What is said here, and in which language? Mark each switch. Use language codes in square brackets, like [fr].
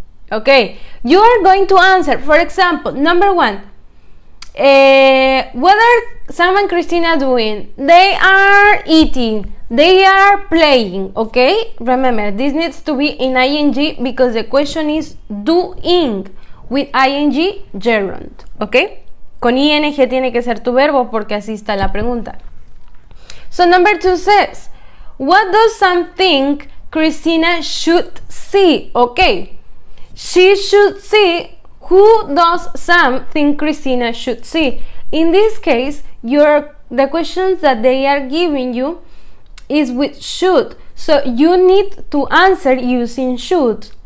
[en] Okay, you are going to answer. For example, number one, what are Sam and Christina doing? They are eating. They are playing, okay? Remember, this needs to be in ing because the question is doing with ing gerund, okay? [es] Con ing tiene que ser tu verbo porque así está la pregunta. [en] So number two says, what does Sam think Christina should see? Okay, she should see. Who does Sam think Christina should see? In this case, the questions that they are giving you is with should, so you need to answer using should.